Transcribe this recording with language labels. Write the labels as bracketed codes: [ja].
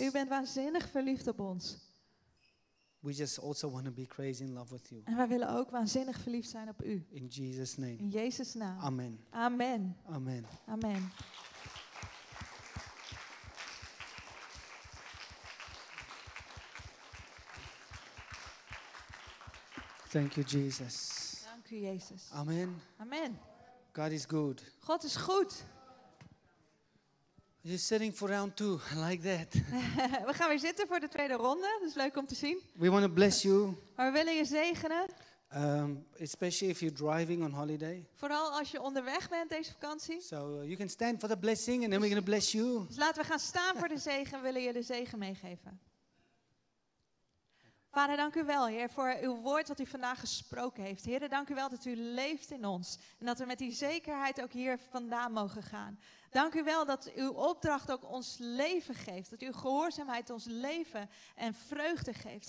[nl] U bent waanzinnig verliefd op ons. [en] We just also want to be crazy in love with you. [nl] En wij willen ook waanzinnig verliefd zijn op u. [en] In Jesus' name. [nl] In Jezus' naam. Amen. Amen. Amen. Amen. [en] Thank you, Jesus. [nl] Dank u, Jezus. Amen. Amen. [en] God is good. [nl] God is goed. [en] You're sitting for round two, like that. [nl] We gaan weer zitten voor de tweede ronde. Dat is leuk om te zien. [en] We want to bless you. [nl] Maar we willen je zegenen. [en] Especially if you're driving on holiday. [nl] Vooral als je onderweg bent deze vakantie. [en] So you can stand for the blessing and then we're going to bless you. [nl] Dus laten we gaan staan voor de zegen. We willen je de zegen meegeven. Vader, dank u wel, Heer, voor uw woord wat u vandaag gesproken heeft. Heer, dank u wel dat u leeft in ons. En dat we met die zekerheid ook hier vandaan mogen gaan. Dank u wel dat uw opdracht ook ons leven geeft. Dat uw gehoorzaamheid ons leven en vreugde geeft.